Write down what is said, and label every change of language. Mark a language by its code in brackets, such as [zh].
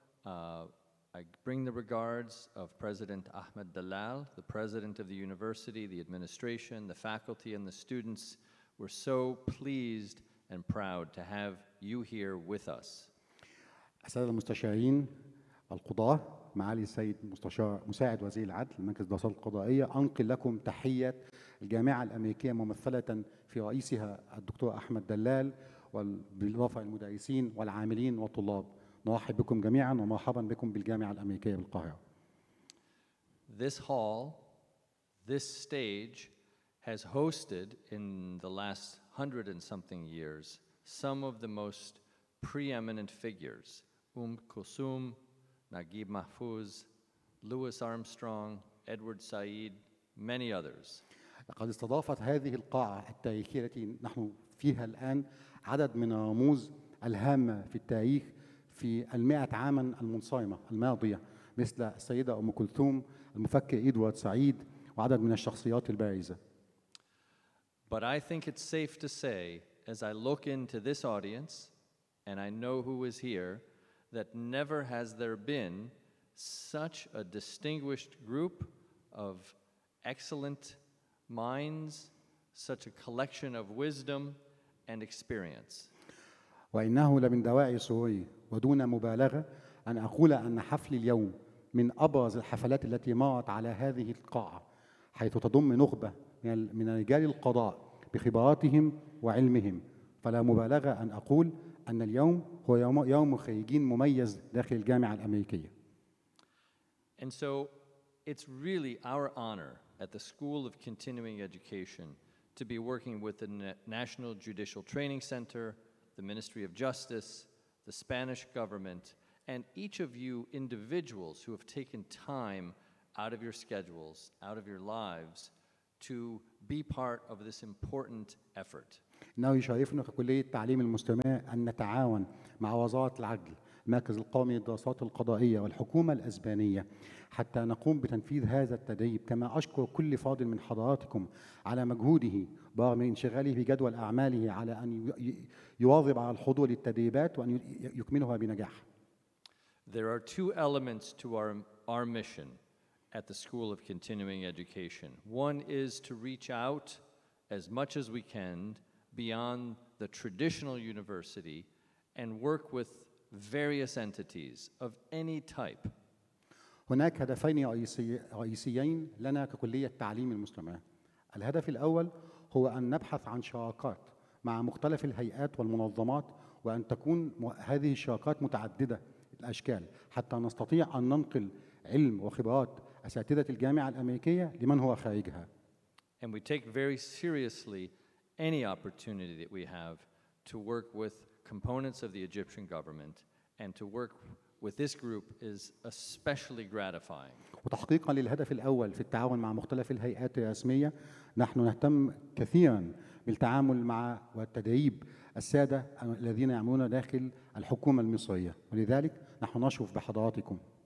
[en] I bring the regards of President Ahmed Dallal, the president of the university, the administration, the faculty and the students. We're so pleased and proud to have you here with us. [ar] السادة المستشارين القضاة معالي السيد مستشار مساعد وزير العدل المركز الدراسات القضائية أنقل لكم تحية الجامعة الأمريكية ممثلة في رئيسها الدكتور أحمد دلال وبالإضافة للمدرسين والعاملين والطلاب نرحب بكم جميعا ومرحبا بكم بالجامعة الأمريكية بالقاهرة. [en] This hall, this stage has hosted in the last 100 and something years some of the most preeminent figures, Kulthum, Naguib Mahfouz, Louis Armstrong, Edward Said, many others. [ar] لقد استضافت هذه القاعة التاريخية التي نحن فيها الآن عدد من الرموز الهامة في التاريخ في المائة عاما المنصرمة الماضية مثل السيدة أم كلثوم المفكر إدوارد سعيد وعدد من الشخصيات البارزة. [en] But I think it's safe to say, as I look into this audience, and I know who is here, that never has there been such a distinguished group of excellent minds, such a collection of wisdom and experience. [ar] وإنه لمن دواعي سروري ودون مبالغة أن أقول أن حفل اليوم من أبرز الحفلات التي مرت على هذه القاعة حيث تضم نخبة من رجال القضاء بخبراتهم وعلمهم فلا مبالغة أن أقول أن اليوم هو يوم خريجين مميز داخل الجامعة الأمريكية. [en] And so it's really our honor at the School of Continuing Education to be working with the National Judicial Training Center, the Ministry of Justice, the Spanish government, and each of you individuals who have taken time out of your schedules, out of your lives, to be part of this important effort. [ar] إنه يشرفنا ككلية التعليم المستمر أن نتعاون مع وزارة العدل، المركز القومي للدراسات القضائية والحكومة الأسبانية حتى نقوم بتنفيذ هذا التدريب، كما أشكر كل فاضل من حضراتكم على مجهوده برغم انشغاله بجدول أعماله على أن يواظب على الحضور للتدريبات وأن يكملها بنجاح. [en] There are two elements to our mission at the School of Continuing Education. One is to reach out as much as we can beyond the traditional university and work with various entities of any type. [ar] هناك هدفين رئيسيين لنا ككلية التعليم المستمر. الهدف الأول هو أن نبحث عن شراكات مع مختلف الهيئات والمنظمات وأن تكون هذه الشراكات متعددة الأشكال حتى نستطيع أن ننقل علم وخبرات أساتذة الجامعة الأمريكية لمن هو خارجها. [en] And we take very seriously any opportunity that we have to work with components of the Egyptian government, and to work with this group is especially gratifying. [ar] وتحقيقا للهدف الأول في التعاون مع مختلف الهيئات الرسمية نحن نهتم كثيرا بالتعامل مع والتدريب السادة الذين يعملون داخل الحكومة المصرية ولذلك نحن نشرف بحضراتكم.